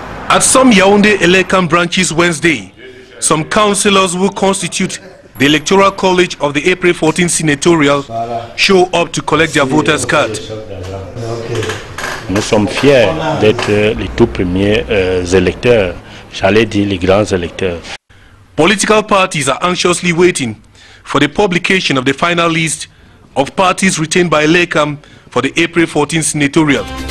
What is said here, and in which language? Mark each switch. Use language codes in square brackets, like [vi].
[en] At some Yaounde ELECAM branches Wednesday, some councillors who constitute the Electoral College of the April 14 senatorial show up to collect their voters' card. [fr] Nous sommes fiers d'être les tout premiers électeurs, j'allais dire les grands électeurs. [en] Political parties are anxiously waiting for the publication of the final list of parties retained by ELECAM for the April 14 senatorial.